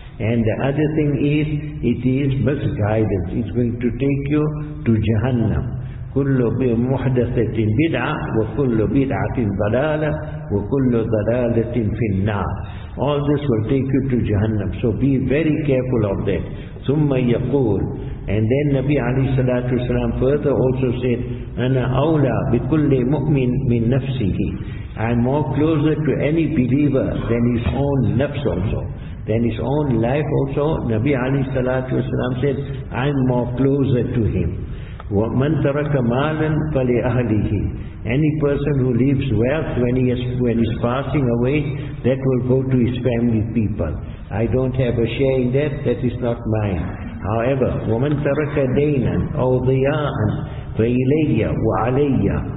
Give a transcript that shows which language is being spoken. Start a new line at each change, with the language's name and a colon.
English: And the other thing is, it is misguidance. It's going to take you to Jahannam.
Arabic: كُلُّ بِمُحْدَثَةٍ بِدْعَةٍ وَكُلُّ بِدْعَةٍ ضَلَالَةٍ وَكُلُّ ضَلَالَةٍ فِي النَّارِ.
English: All this will take you to Jahannam. So be very careful of that.
Arabic: ثُمَّ يَقُولُ.
English: And then Nabi
Arabic: عليه الصلاة والسلام
English: further also said,
Arabic: أَنَا أَوْلَى بِكُلِّ مُؤْمِنٍ مِنْ نَفْسِهِ.
English: I'm more closer to any believer than his own nafs also. Then his own life also, Nabi alayhi salatu wasalam said, I'm more closer to him.
Arabic: وَمَنْ تَرَكَ مَالًا فَلِأَهْلِهِ.
English: Any person who leaves wealth when he's passing away, that will go to his family people. I don't have a share in that is not mine. However,
Arabic: وَمَنْ تَرَكَ دَيْنًا أَوْ ضِيَاءً فَإِلَيَّ وَعَلَيَّ.